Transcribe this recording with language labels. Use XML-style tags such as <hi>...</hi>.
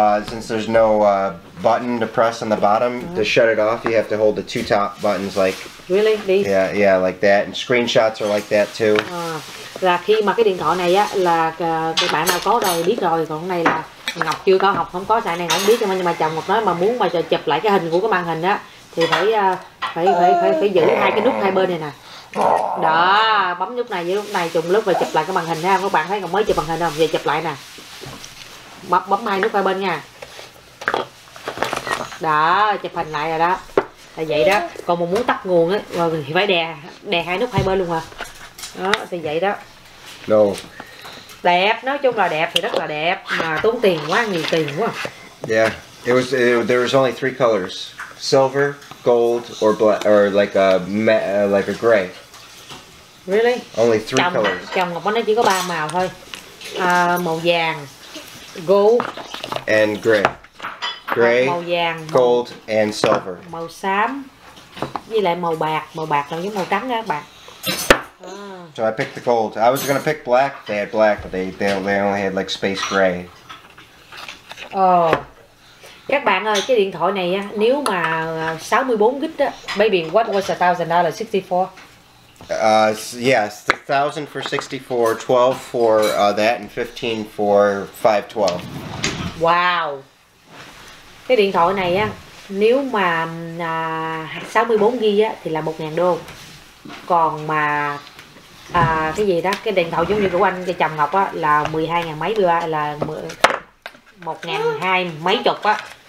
<en>Since there's no button to press on the bottom to shut it off, you have to hold the two top buttons like. Really? These? Yeah, like that. And screenshots are like that too.</en> <vi>Là khi mà cái điện thoại này á là các bạn nào có rồi biết rồi, còn cái này là Ngọc chưa có học, không có xài này không biết, nhưng mà chồng Ngọc nói mà muốn mà chụp lại cái hình của cái màn hình á thì phải giữ hai cái nút hai bên này nè. Đó, bấm nút này với nút này trùng lúc rồi chụp lại cái màn hình ha. Các bạn thấy còn mới chụp màn hình không? Vậy chụp lại nè. Bấm hai nút hai bên nha. Đó, chụp hình lại rồi đó. Là vậy đó. Còn mà muốn tắt nguồn á thì phải đè hai nút hai bên luôn hả? Đó, thì vậy đó.</vi> <en>No.</en> <vi>Đẹp, nói chung là đẹp thì rất là đẹp mà tốn tiền quá, nhiều tiền quá.</vi> <en>Yeah. There was only three colors. Silver, gold, or black, or like a gray. Really? Only three colors.</en> <vi>Chồng Ngọc nói chỉ có ba màu thôi. Màu vàng, gold.</vi> <en>And gray. Gray.</en> <vi>Màu vàng.</vi> <en>Gold and silver.</en> <vi>Màu xám. Với lại màu bạc. Màu bạc là giống màu trắng đó, bạc.</vi> <en>So I picked the gold. I was gonna pick black. They had black, but they only had like space gray. Oh.</en> <vi>Các bạn ơi, cái điện thoại này nếu mà 64GB á,</vi> <en>baby, what was $1,000, 64? Yes, the 1,000 for 64, 12 for that, and 15 for 512. Wow.</en> <vi>Cái điện thoại này á, nếu mà 64GB á, thì là $1,000. Còn mà cái gì đó, cái điện thoại giống như của anh, cái chồng Ngọc á, là 12.000 mấy, là 1.200 mấy chục á.</vi>